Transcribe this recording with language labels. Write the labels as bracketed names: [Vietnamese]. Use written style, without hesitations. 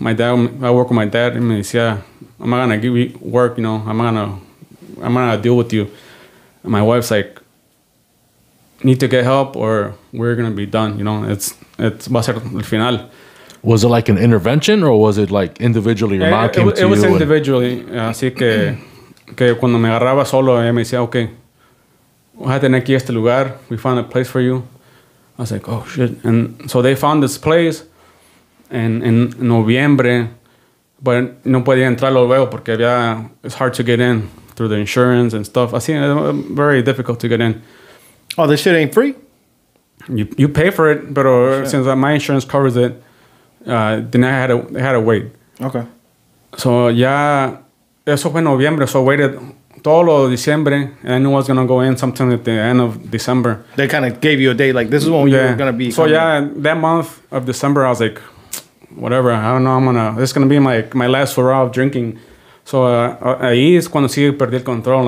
[English] My dad, I work with my dad, and he said, yeah, I'm not gonna give you work, you know, I'm not gonna deal with you. And my wife's like, need to get help or we're going to be done. You know, it's [Spanish] va a ser el final. [English] Was it like an intervention or was it like individually your mom came to you? It was individually. [Spanish] Así que cuando me agarraba solo, ella me decía, okay, voy a tener aquí este lugar. [English] We found a place for you. I was like, oh, shit. And so they found this place in noviembre, but [Spanish] no podía entrarlo luego porque había, [English] it's hard to get in through the insurance and stuff. Así, very difficult to get in. Oh, this shit ain't free? You pay for it, but since my insurance covers it, then I had to wait. Okay. So, [Spanish] eso fue noviembre. [English] So, I waited [Spanish] todo lo diciembre, [English] and I knew I was going to go in sometime at the end of December. They kind of gave you a date, like, this is when you're going to be. So, that month of December, I was like, whatever. I don't know. This is going to be my last hurrah of drinking. [Spanish] So, ahí es cuando sí perdí el control.